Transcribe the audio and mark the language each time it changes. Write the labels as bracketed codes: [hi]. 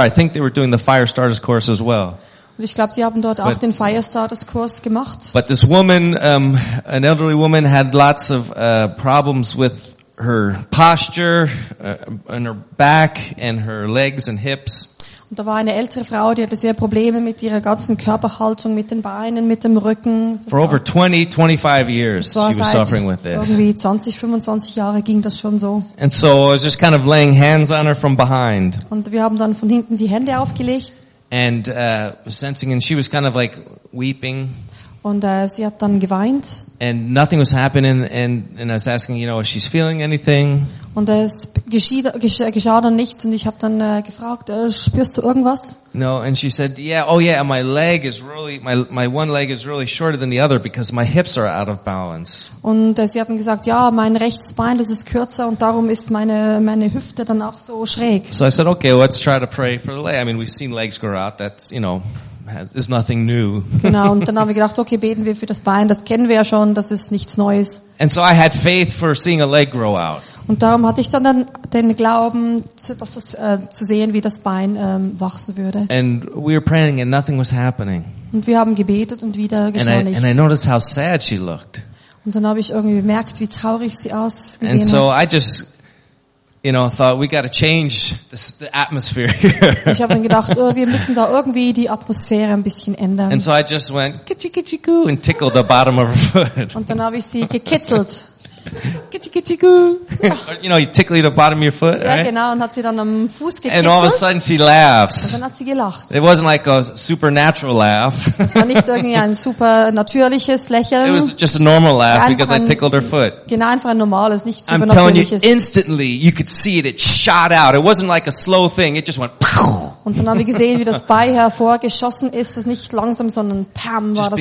[en] I think they were doing the Firestarters course as well. [de] Und ich glaube, die haben dort auch den Firestarters-Kurs gemacht. [en] But this woman, an elderly woman, had lots of problems with her posture and her back and her legs and hips. [de] Und da war eine ältere Frau, die hatte sehr Probleme mit ihrer ganzen Körperhaltung, mit den Beinen, mit dem Rücken. [en] For over 20, 25 years, she was suffering with this. [de] Irgendwie 20, 25 Jahre ging das schon so. [en] And so I was just kind of laying hands on her from behind. [de] Und wir haben dann von hinten die Hände aufgelegt. [en] And sensing, and she was kind of like weeping. [de] Und sie hat dann geweint. [en] And nothing was happening, and I was asking, you know, if she's feeling anything. [de] Und es geschah dann nichts, und ich habe dann gefragt, spürst du irgendwas? [en] No, and she said, yeah, oh yeah, my leg is really, my one leg is really shorter than the other because my hips are out of balance. [de] Und sie hat dann gesagt, ja, mein rechtes Bein, das ist kürzer, und darum ist meine Hüfte dann auch so schräg. [en] So I said, okay, well, let's try to pray for the leg. I mean, we've seen legs grow out, that's, you know. Is nothing new. [de] Genau, und dann haben wir gedacht, okay, beten wir für das Bein, das kennen wir ja schon, das ist nichts Neues. [en] And so I had faith for seeing a leg grow out. [de] Und darum hatte ich dann den Glauben, dass das zu sehen, wie das Bein wachsen würde. [en] And we were praying and nothing was happening. [de] Und wir haben gebetet und wieder geschah [en] and I, [de] nichts. [en] And I noticed how sad she looked. [de] Und dann habe ich irgendwie bemerkt, wie traurig sie ausgesehen [en] and so [de] hat. [en] I just, you know, thought we got to change the atmosphere here. [de] Ich habe dann gedacht, oh, wir müssen da irgendwie die Atmosphäre ein bisschen ändern. [en] And so I just went kitchi kitchi goo and tickled the bottom of her foot. [de] Und dann habe ich sie gekitzelt. [en] Kitchi kitchi goo. You know, you tickle the bottom of your foot, [de] ja, [en] right? [de] Genau, und hat sie dann am Fuß gekitzelt. [en] And all of a sudden she laughs. [de] Und dann hat sie gelacht. [en] It wasn't like a supernatural laugh. [de] Es war nicht irgendwie ein super natürliches Lächeln. [en] It was just a normal laugh because I tickled her foot. [de] Genau, einfach ein normales, nicht supernatürliches. [en] I'm telling you, instantly you could see it shot out. It wasn't like a slow thing. It just went pow. [de] Und dann haben wir gesehen, wie das Bein hervorgeschossen ist. Das ist nicht langsam, sondern pam war